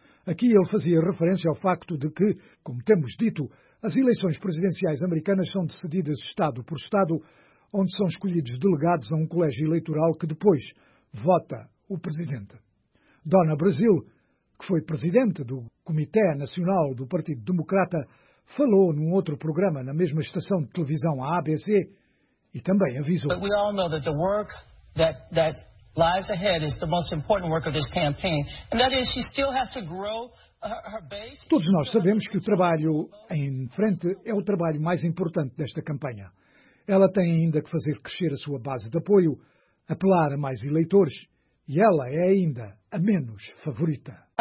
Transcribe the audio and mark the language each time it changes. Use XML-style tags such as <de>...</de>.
<pt>Aqui ele fazia referência ao facto de que, como temos dito, as eleições presidenciais americanas são decididas estado por estado, onde são escolhidos delegados a um colégio eleitoral que depois vota o presidente. Donna Brazile, que foi presidente do Comitê Nacional do Partido Democrata, falou num outro programa na mesma estação de televisão, a ABC, e também avisou.</pt> <en>We all know that the work that lies ahead is the most important work of this campaign, and that is she still has to grow her base.</en> <pt>Todos nós sabemos que o trabalho em frente é o trabalho mais importante desta campanha. Ela tem ainda que fazer crescer a sua base de apoio, apelar a mais eleitores, e ela é ainda a menos favorita.</pt>